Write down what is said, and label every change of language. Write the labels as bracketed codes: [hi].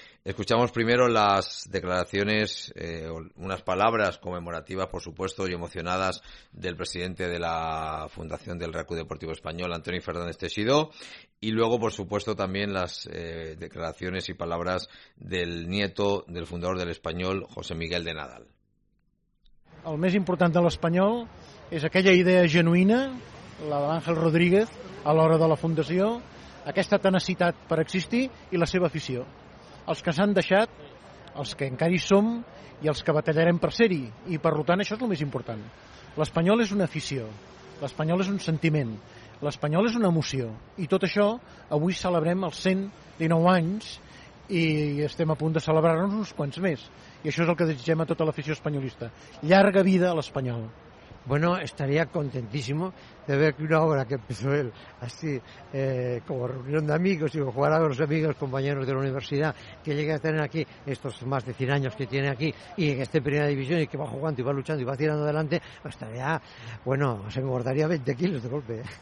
[es] Escuchamos primero las declaraciones, unas palabras conmemorativas, por supuesto, y emocionadas del presidente de la Fundación del Real Club Deportivo Español, Antoni Fernández Teixidó, y luego, por supuesto, también las declaraciones y palabras del nieto del fundador del Español, José Miguel de Nadal. [ca] El més important de l'Espanyol és aquella idea genuïna, la de l'Àngel Rodríguez, a l'hora de la Fundació, aquesta tenacitat per existir i la seva afició. Els que s'han deixat, els que encara hi som i els que batallarem per ser-hi. I, per tant, això és el més important. L'Espanyol és una afició, l'Espanyol és un sentiment, l'Espanyol és una emoció. I tot això, avui celebrem els 119 anys i estem a punt de celebrar-nos uns quants més. I això és el que desitgem a tota l'afició espanyolista. Llarga vida a l'Espanyol. [es] Bueno, estaría contentísimo de ver que una obra que empezó él así, como reunión de amigos, y jugar a los amigos, compañeros de la universidad, que llegue a tener aquí estos más de 100 años que tiene aquí, y que esté en primera división, y que va jugando, y va luchando, y va tirando adelante, pues estaría, bueno, se me guardaría 20 kilos de golpe.